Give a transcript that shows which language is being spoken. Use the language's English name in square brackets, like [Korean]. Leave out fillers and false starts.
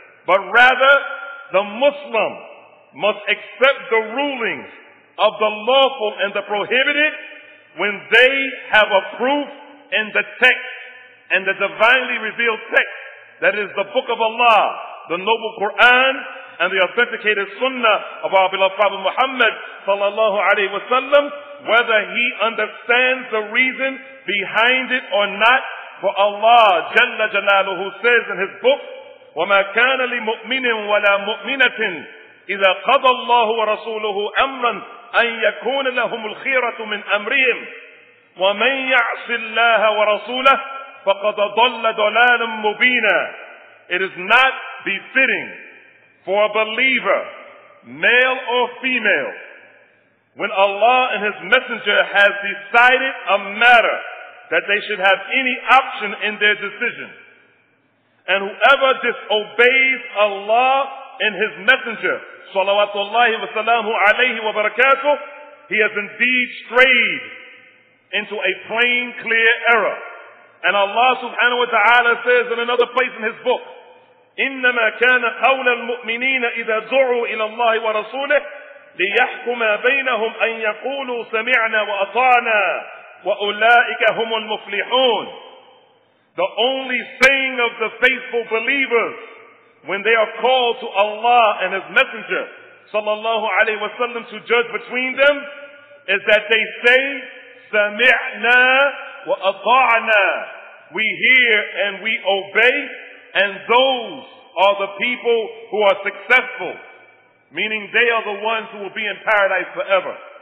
[English] But rather, the Muslim must accept the rulings of the lawful and the prohibited when they have a proof in the text and the divinely revealed text, that is the Book of Allah, the Noble Quran, and the authenticated Sunnah of our beloved Prophet Muhammad sallallahu alaihi wasallam, whether he understands the reason behind it or not. For Allah Jalla Jalaluhu says in his book, [Arabic] وَمَا كَانَ لِمُؤْمِنٍ وَلَا مُؤْمِنَةٍ إِذَا قَضَى اللَّهُ وَرَسُولُهُ أَمْرًا أَنْ يَكُونَ لَهُمُ الْخِيرَةُ مِنْ أَمْرِهِمْ وَمَنْ يَعْصِ اللَّهَ وَرَسُولَهُ فَقَدْ ضَلَّ ضَلَالًا مُبِينًا. [English] It is not befitting for a believer, male or female, when Allah and His Messenger has decided a matter, that they should have any option in their decision. And whoever disobeys Allah and His Messenger, [Arabic] salawatullahi wa salamu alayhi wa barakatuh, [English] he has indeed strayed into a plain, clear error. And Allah subhanahu wa ta'ala says in another place in His book, [Arabic] إِنَّمَا كَانَ قَوْلَ الْمُؤْمِنِينَ إِذَا دُعُوا إِلَى اللَّهِ وَرَسُولِهِ لِيَحْكُمَا بَيْنَهُمْ أَنْ يَقُولُوا سَمِعْنَا وَأَطَعْنَا وَأُولَٰئِكَ هُمُ الْمُفْلِحُونَ. [English] The only saying of the faithful believers when they are called to Allah and His Messenger sallallahu alaihi wasallam to judge between them is that they say, [Arabic] سمعنا وأطعنا. [English] We hear and we obey, and those are the people who are successful, meaning they are the ones who will be in paradise forever.